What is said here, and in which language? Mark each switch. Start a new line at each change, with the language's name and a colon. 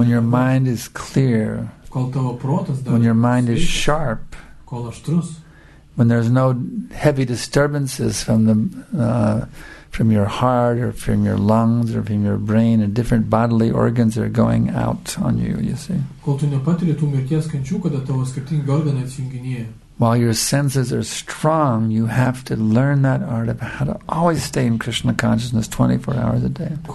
English: When your mind is clear.
Lithuanian: Kol tavo protas dar
English: when your mind is sharp.
Lithuanian: Kol aštrus.
English: when there's no heavy disturbances from the from your heart or from your lungs or from your brain, and different bodily organs are going out on you, you see.
Lithuanian: Kol tu nepatiri tų mirties kančių, kada tavo skirtingi organai atsijunginėja.
English: While your senses are strong, you have to learn that art of how to always stay in Krishna consciousness 24 hours a day.